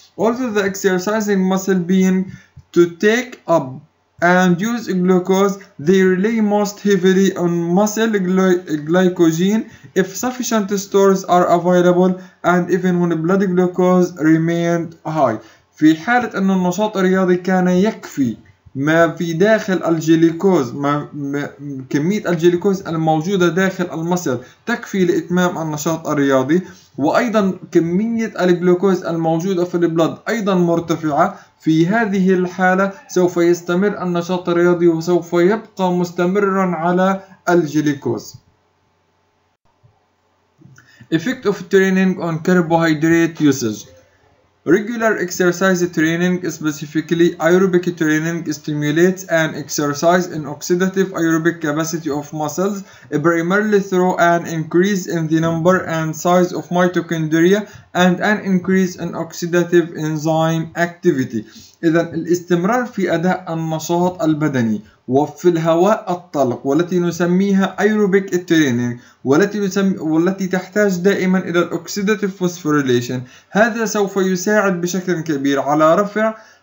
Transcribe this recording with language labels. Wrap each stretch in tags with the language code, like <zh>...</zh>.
<en>Although the exercising muscle being to take up and use glucose, they rely most heavily on muscle glycogen if sufficient stores are available and even when blood glucose remained high.</en> <ar>في حالة أن النشاط الرياضي كان يكفي ما في داخل الجليكوز، ما كمية الجليكوز الموجودة داخل المسل تكفي لإتمام النشاط الرياضي، وأيضا كمية الجلوكوز الموجودة في البلد أيضا مرتفعة، في هذه الحالة سوف يستمر النشاط الرياضي وسوف يبقى مستمرا على الجليكوز.</ar> <en>Effect of training on carbohydrate usage. Regular exercise training, specifically aerobic training, stimulates an exercise in oxidative aerobic capacity of muscles, primarily through an increase in the number and size of mitochondria and an increase in oxidative enzyme activity.</en> <ar>إذا الاستمرار في أداء النشاط البدني وفي الهواء الطلق والتي نسميها aerobic training والتي تحتاج دائما إلى oxidative phosphorylation، هذا سوف يساعد بشكل كبير على رفع</ar>